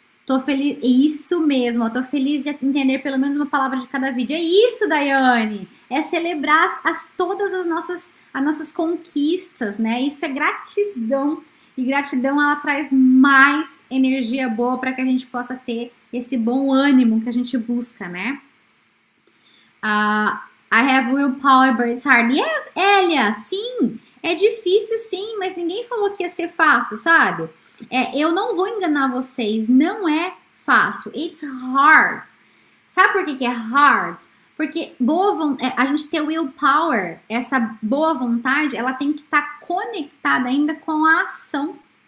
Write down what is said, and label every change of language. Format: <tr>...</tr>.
<pt>Tô feliz, isso mesmo, ó, tô feliz de entender pelo menos uma palavra de cada vídeo. É isso, Daiane! É celebrar todas as nossas conquistas, né? Isso é gratidão. E gratidão, ela traz mais energia boa para que a gente possa ter esse bom ânimo que a gente busca, né?</pt> <en>I have willpower, but it's hard.</en> <pt>Yes, Elia, sim, é difícil sim, mas ninguém falou que ia ser fácil, sabe? Eu não vou enganar vocês, não é fácil,</pt> <en>it's hard.</en> <pt>Sabe por que que é hard? Porque a gente ter willpower, essa boa vontade, ela tem que estar conectada ainda com a ação.</pt>